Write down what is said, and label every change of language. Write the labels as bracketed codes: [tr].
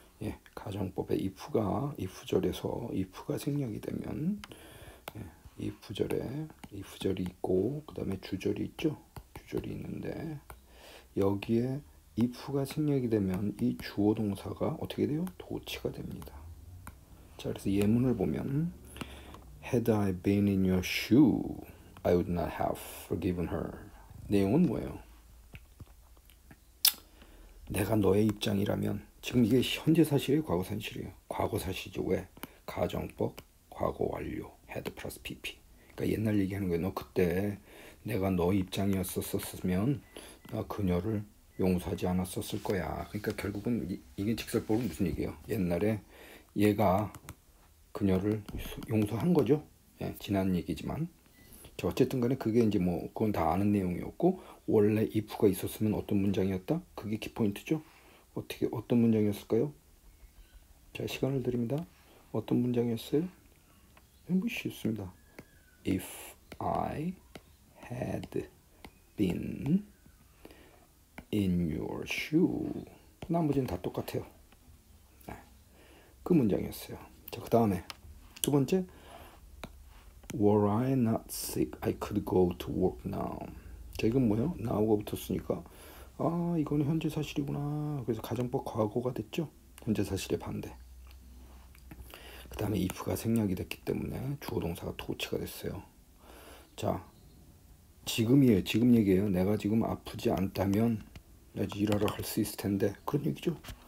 [ko] 예, 가정법에 if가 if절에서 if가 생략이 되면 예, if절에 if절이 있고 그다음에 주절이 있죠? 주절이 있는데 여기에 if가 생략이 되면 이 주어 동사가 어떻게 돼요? 도치가 됩니다. 자, 그래서 예문을 보면 [en] Had I been in your shoe, I would not have forgiven her. [ko] 내용은 뭐예요? 내가 너의 입장이라면 지금 이게 현재 사실이에요? 과거 사실이에요? 과거 사실이죠. 왜? 가정법 과거 완료 had plus pp. 그러니까 옛날 얘기하는 거예요. 너 그때 내가 너 입장이었었으면 나 그녀를 용서하지 않았었을 거야. 그러니까 결국은 이게 직설법은 무슨 얘기예요? 옛날에 얘가 그녀를 용서한 거죠. 예, 지난 얘기지만. 저 어쨌든 간에 그게 이제 그건 다 아는 내용이었고 원래 if가 있었으면 어떤 문장이었다? 그게 키포인트죠. 어떻게 어떤 문장이었을까요? 자, 시간을 드립니다. 어떤 문장이었어요? 무시 있습니다. [en] If I had been in your shoe. [ko] 나머지는 다 똑같아요. 그 문장이었어요. 자, 그 다음에 두 번째. [en] Were I not sick, I could go to work now. [ko] 자, 이건 뭐예요? now가 붙었으니까 아, 이거는 현재 사실이구나. 그래서 가정법 과거가 됐죠? 현재 사실의 반대. 그 다음에 if가 생략이 됐기 때문에 주어동사가 도치가 됐어요. 자, 지금이에요. 지금 얘기예요. 내가 지금 아프지 않다면 내가 일하러 갈수 있을 텐데 그런 얘기죠.